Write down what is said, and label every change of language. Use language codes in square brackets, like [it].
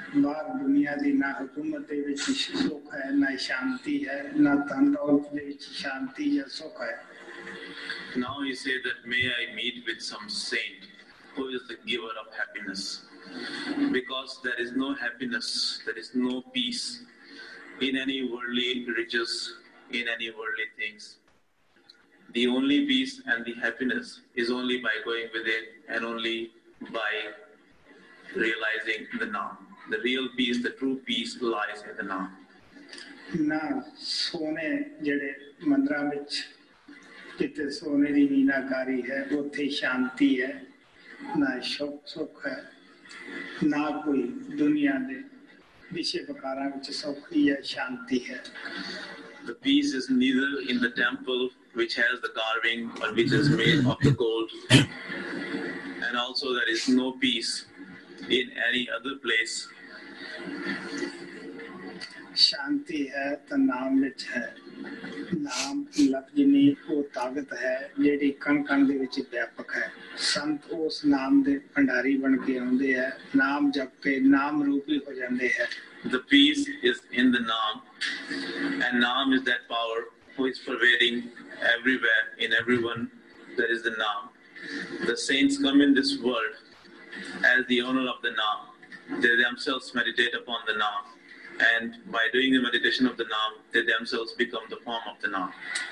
[pa] ਬਾਹਰ ਦੁਨੀਆਂ ਦੀ ਨਾ ਹਕੂਮਤ ਦੇ ਵਿੱਚ ਸੁੱਖ ਹੈ, ਨਾ ਸ਼ਾਂਤੀ ਹੈ, ਨਾ ਧਨ ਦੌਲਤ ਦੇ ਵਿੱਚ ਸ਼ਾਂਤੀ ਜਾਂ ਸੁੱਖ ਹੈ। [en] Now he say that may I meet with some saint who is the giver of happiness, because there is no happiness, there is no peace in any worldly riches, in any worldly things. The only peace and the happiness is only by going within and only by realizing the Naam. The real peace, the true peace lies in the Naam. [pa] Na sone jede mandra vich ਜਿੱਥੇ ਸੋਨੇ ਦੀ ਮੀਨਾਕਾਰੀ ਹੈ ਉੱਥੇ ਸ਼ਾਂਤੀ ਹੈ, ਨਾ ਸੁੱਖ ਸੁੱਖ ਹੈ, ਨਾ ਕੋਈ ਦੁਨੀਆਂ ਦੇ ਵਿਸ਼ੇ ਵਿਕਾਰਾਂ ਵਿੱਚ ਸੁੱਖ ਹੀ ਹੈ, ਸ਼ਾਂਤੀ ਹੈ। [en] The peace is neither in the temple which has the carving or which is made of the gold, and also there is no peace in any other place. [pa] ਸ਼ਾਂਤੀ ਹੈ ਤਾਂ ਨਾਮ ਵਿੱਚ ਹੈ। ਨਾਮ ਲਫ਼ਜ਼ ਨਹੀਂ, ਉਹ ਤਾਕਤ ਹੈ ਜਿਹੜੀ ਕਣ ਕਣ ਦੇ ਵਿੱਚ ਵਿਆਪਕ ਹੈ। ਸੰਤ ਉਸ ਨਾਮ ਦੇ ਭੰਡਾਰੀ ਬਣ ਕੇ ਆਉਂਦੇ ਹੈ, ਨਾਮ ਜਪ ਕੇ ਨਾਮ ਰੂਪ ਹੀ ਹੋ ਜਾਂਦੇ ਹੈ। [en] The peace is in the Naam, and Naam is that power who is pervading everywhere, in everyone there is the Naam. The saints come in this world as the owner of the Naam. They themselves meditate upon the Naam, and by doing the meditation of the Naam, they themselves become the form of the Naam.